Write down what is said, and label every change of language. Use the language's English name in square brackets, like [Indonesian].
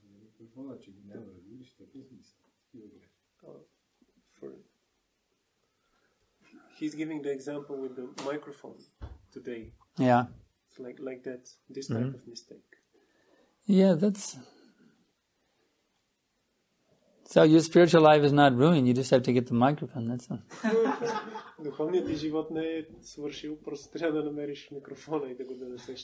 [Bulgarian] Микрофона, че ги няма разбираш, така смисъл. [English] He's giving the example with the microphone today. Yeah. It's like that, this type of mistake. Yeah, that's... So your spiritual life is not ruined, you just have to get the microphone, that's all. [Bulgarian] Духовният ти живот не е свършил, просто трябва да намериш микрофона и да го донесеш.